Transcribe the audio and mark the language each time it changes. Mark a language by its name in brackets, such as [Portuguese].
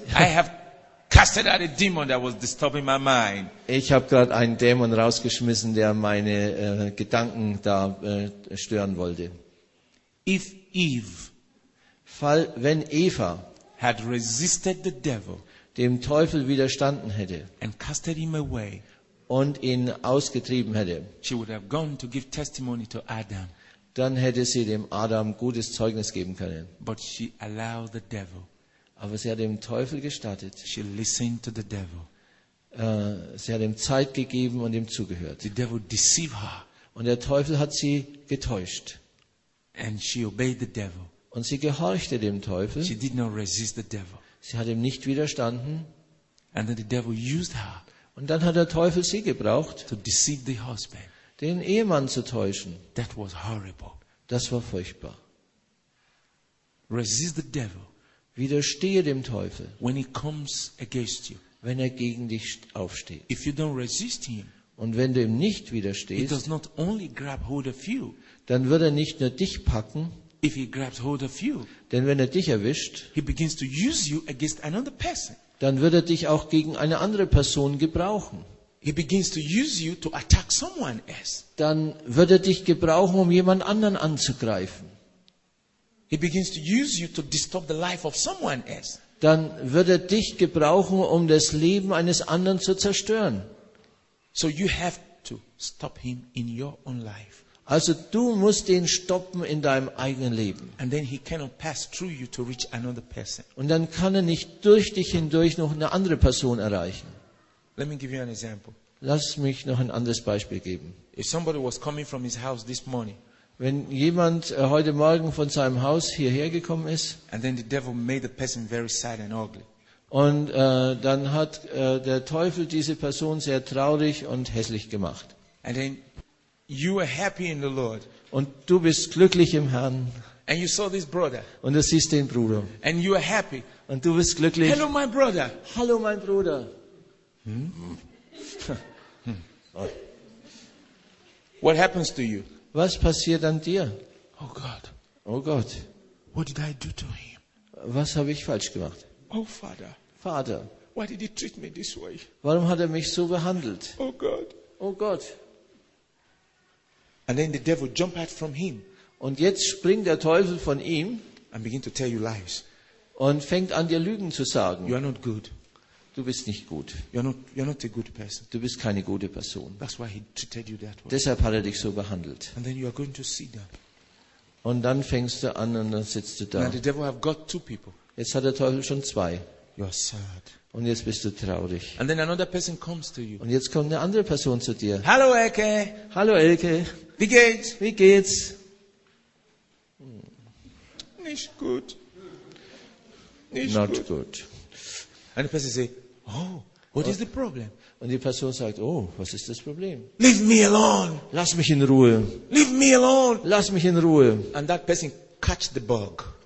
[English] I have casted out a demon that was disturbing my mind. [German] Ich habe gerade einen Dämon rausgeschmissen, der meine Gedanken da stören wollte. [English] If Eve, [German] wenn Eva, [English] had resisted the devil, [German] dem Teufel widerstanden hätte [English] and casted him away, [German] und ihn ausgetrieben hätte, [English] she would have gone to give testimony to Adam. [German] dann hätte sie dem Adam gutes Zeugnis geben können. [English] But she allowed the devil. [German] Aber sie hat dem Teufel gestattet. [English] She listened to the devil. [German] Sie hat ihm Zeit gegeben und ihm zugehört. [English] The devil deceived her. [German] Und der Teufel hat sie getäuscht. [English] And she obeyed the devil. [German] Und sie gehorchte dem Teufel. [English] She did not resist the devil. [German] Sie hat ihm nicht widerstanden. [English] And then the devil used her. [German] Und dann hat der Teufel sie gebraucht, [English] to deceive the husband. [German] Den Ehemann zu täuschen. [English] That was horrible. [German] Das war furchtbar. [English] Resist the devil. [German] Widerstehe dem Teufel, [English] when he comes against you. [German] Wenn er gegen dich aufsteht. [English] If you don't resist him, [German] und wenn du ihm nicht widerstehst, [English] he does not only grab hold of you, [German] dann wird er nicht nur dich packen, [English] if he grabs hold of you, [German] denn wenn er dich erwischt, [English] he begins to use you against another person. [German] Dann wird er dich auch gegen eine andere Person gebrauchen. [English] He begins to use you to attack someone else. [German] Dann wird er dich gebrauchen, um jemand anderen anzugreifen. [English] He begins to use you to disturb the life of someone else. [German] Dann wird er dich gebrauchen, um das Leben eines anderen zu zerstören. [English] So you have to stop him in your own life. [German] Also du musst ihn stoppen in deinem eigenen Leben. [English] And then he cannot pass through you to reach another person. [German] Und dann kann er nicht durch dich hindurch noch eine andere Person erreichen. [English] Let me give you an example. [German] Lass mich noch ein anderes Beispiel geben. [English] If somebody was coming from his house this morning, [German] wenn jemand heute Morgen von seinem Haus hierher gekommen ist, [English] and then the devil made the person very sad and ugly. [German] Und dann hat der Teufel diese Person sehr traurig und hässlich gemacht. [English] And then you are happy in the Lord. [German] Und du bist glücklich im Herrn. [English] And you saw this brother. [German] Und du siehst den Bruder. [English] And you are happy. [German] Und du bist glücklich. [English] Hello, my brother. [German] Hallo, mein Bruder. [English] What happens to you? [German] Was passiert an dir? [English] Oh God. [German] Oh Gott. [English] What did I do to him? [German] Was habe ich falsch gemacht? [English] Oh Father. [German] Vater. [English] Why did he treat me this way? [German] Warum hat er mich so behandelt? [English] Oh God. [German] Oh Gott. [English] And then the devil jump out from him. [German] Und jetzt springt der Teufel von ihm. [English] And begin to tell you lies. [German] Und fängt an dir Lügen zu sagen. [English] You are not good. [German] Du bist nicht gut. [English] You're not a good person. [German] Du bist keine gute Person. [English] That's why he treated you that way. [German] Deshalb hat er dich so behandelt. [English] And then you are going to see them. [German] Und dann fängst du an und dann sitzt du da. [English] Now the devil have got two people. [German] Jetzt hat der Teufel schon zwei. [English] You are sad. [German] Und jetzt bist du traurig. [English] And then another person comes to you. [German] Und jetzt kommt eine andere Person zu dir. Hallo Elke. Hallo Elke. Wie geht's? Wie geht's? Nicht gut. [English] Not good. And the person says, oh, what is the problem? [German] Und die Person sagt, oh, was ist das Problem? [English] Leave me alone. [German] Lass mich in Ruhe. [English] Leave me alone. [German] Lass mich in Ruhe. [English] And that person catch the bug.